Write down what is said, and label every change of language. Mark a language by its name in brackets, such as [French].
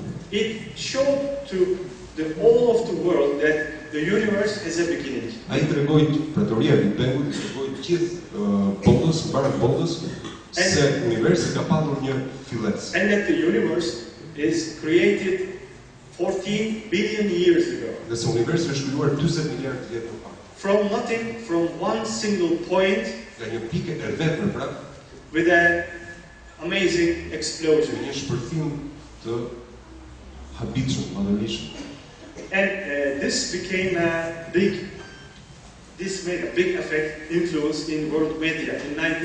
[English] It showed to the all of the world that the universe has a beginning. [Albanian] Ai tregoi teoria e Big Bang-ut, tregoi gjithë botës, para botës, se universi ka pasur një fillesë. [English] And that the universe is created 14 billion years ago. [Albanian] Dhe se universi është krijuar 40 miliard vjet më parë. [English] From nothing, from one single point, [Albanian] nga një pikë e vetme, pra, [English] with an amazing explosion. [Albanian] Një shpërthim të habitshëm, madhërisht. [English] And this became a big, this made a big effect, influence in world media in